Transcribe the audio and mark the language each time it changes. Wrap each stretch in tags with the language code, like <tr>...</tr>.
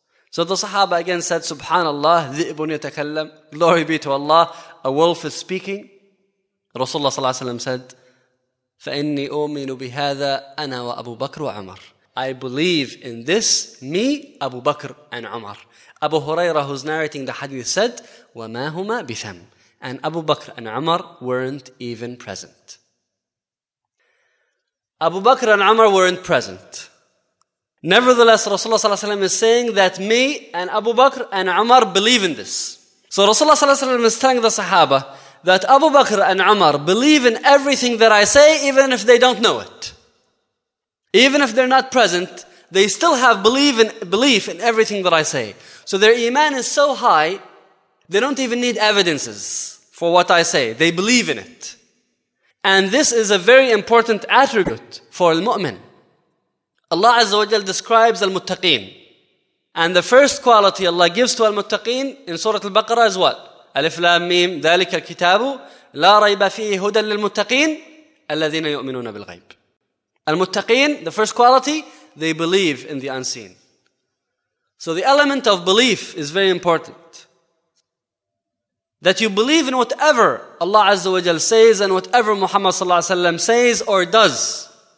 <en>So the Sahaba again said, Subhanallah,</en> <ar>ذِئِبٌ يَتَكَلَّمْ.</ar> <en>Glory be to Allah, a wolf is speaking. Rasulullah sallallahu alayhi wa sallam said,</en> <ar>فَإِنِّي أُؤْمِنُ بِهَذَا أَنَا وَأَبُو بَكْرُ وَعُمَرُ.</ar> <en>I believe in this, me, Abu Bakr and Umar. Abu Huraira, who's narrating the hadith, said,</en> <ar>وَمَا هُمَا بِثَمْ.</ar> <en>And Abu Bakr and Umar weren't even present. Abu Bakr and Umar weren't present. Nevertheless, Rasulullah sallallahu alayhi wa sallam is saying that me and Abu Bakr and Umar believe in this. So Rasulullah sallallahu alayhi wa sallam is telling the Sahaba that Abu Bakr and Umar believe in everything that I say, even if they don't know it. Even if they're not present, they still have belief in everything that I say. So their iman is so high, they don't even need evidences for what I say. They believe in it. And this is a very important attribute for al-mu'min. Allah Azza wa Jalla describes al-muttaqeen. And the first quality Allah gives to al-muttaqeen in Surah Al-Baqarah is what? Alif Lam Mim,</en> <ar>ذَلِكَ الْكِتَابُ لا ريب فيه هدى للمتقين الذين يؤمنون بالغيب.</ar> <en>المتقين, the first quality, they believe in the unseen. So the element of belief is very important. That you believe in whatever Allah Azza wa Jal says and whatever Muhammad Sallallahu Alaihi Wasallam says or does.</en>